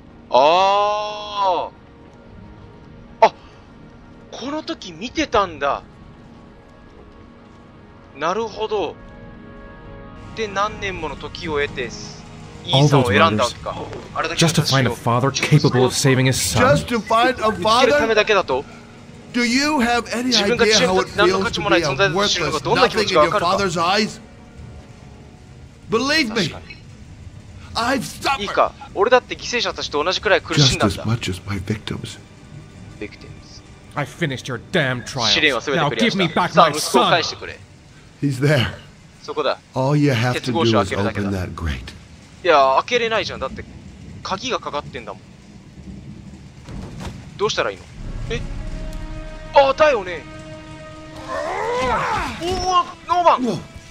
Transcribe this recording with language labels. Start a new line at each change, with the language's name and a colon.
Japanese: ああ、この時見てたんだ。なるほど。で、何年もの時を経てイーサンを選んだわけか。あれだけ
English: Just to find a father capable of saving his son. Just to find a father?
Japanese: ためだけだと。
English: Do you have any idea how it feels to be a worthless nothing in your father's eyes? Believe me. I've suffered.
Japanese: いいか。俺だって犠牲者たちと同じくらい苦しんだんだ。
English: Just as much as my victims. Victims. I finished your damn trial.
Japanese: 試練はすべてクリアした。
English: Now give me back my son.
Japanese: 息子を返してくれ。
English: He's there.
Japanese: そこだ。
English: All you have to do is open that grate.
Japanese: いや、開けれないじゃん。だって鍵がかかってんだもん。どうしたらいいの？え？あ、だよね。おお、ノーマン。